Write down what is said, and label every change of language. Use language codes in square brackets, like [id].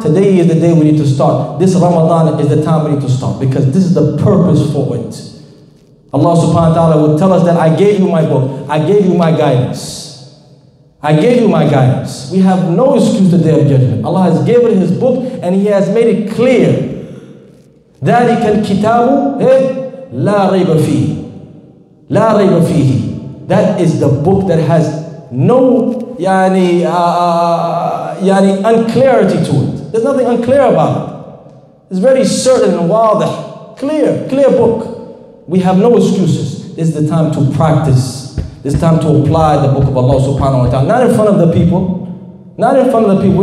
[en] Today is the day we need to start. This Ramadan is the time we need to start because this is the purpose for it. Allah subhanahu wa ta'ala will tell us that I gave you my book. I gave you my guidance. I gave you my guidance. We have no excuse the day of judgment. Allah has given His book and He has made it clear. [ar] ذلك الكتاب لا ريب فيه لا ريب فيه. [en] That is the book that has no unclarity to it. There's nothing unclear about it. It's very certain and [ar] واضح. [en] Clear book. We have no excuses. This is the time to practice. This time to apply the book of Allah subhanahu wa ta'ala. Not in front of the people. Not in front of the people.